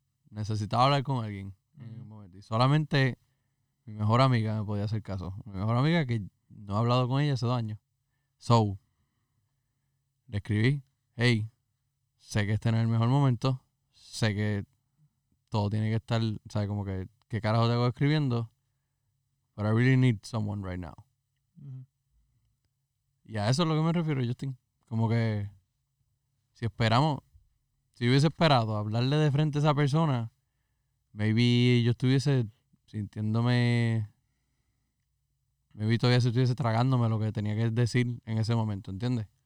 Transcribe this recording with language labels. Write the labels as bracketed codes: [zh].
[es] Necesitaba hablar con alguien. Uh-huh. Y solamente mi mejor amiga me podía hacer caso. Mi mejor amiga, que no he hablado con ella hace 2 años. So, le escribí, hey, sé que este no es el mejor momento, sé que todo tiene que estar, ¿sabes? Como que, ¿qué carajo tengo escribiendo? [en] But I really need someone right now. [es] Uh-huh. Y a eso es lo que me refiero, Justin. Como que, si esperamos, si hubiese esperado hablarle de frente a esa persona, maybe yo estuviese sintiéndome, maybe todavía se estuviese tragándome lo que tenía que decir en ese momento, ¿entiendes?